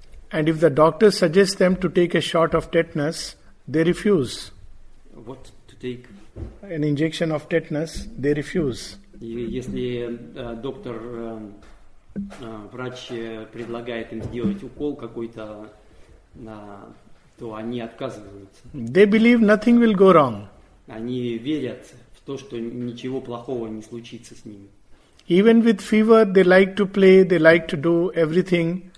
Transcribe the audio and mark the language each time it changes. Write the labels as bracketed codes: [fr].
[en] And if the doctor suggests them to take a shot of tetanus, they refuse. What to take? An injection of tetanus, they refuse. [ru] И если доктор, врач предлагает им сделать укол какой-то, то они отказываются. [en] They believe nothing will go wrong. [ru] Они верят в то, что ничего плохого не случится с ними. [en] Even with fever, they like to play, they like to do everything.